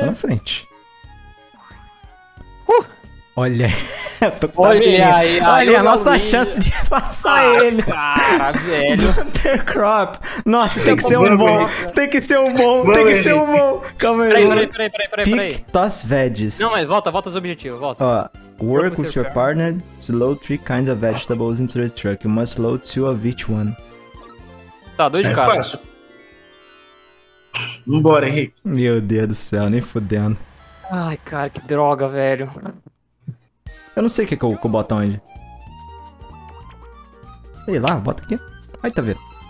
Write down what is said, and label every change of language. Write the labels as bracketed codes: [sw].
[pt] Tá na frente. Olha aí. Olha aí, a nossa chance de passar ele. Cara, velho. Crop. Nossa, tem que ser um bom. Tem que ser um bom. Calma aí. Peraí. Não, mas volta os objetivos, [en] Work with your partner to load 3 kinds of vegetables into the truck. You must load 2 of each one. [pt] Tá, 2 de cada. Fácil. Vambora, Henrique. Meu Deus do céu, nem fudendo. Ai, cara, que droga, velho. Eu não sei o que é que eu boto onde. Sei lá, bota aqui. Aí tá vendo.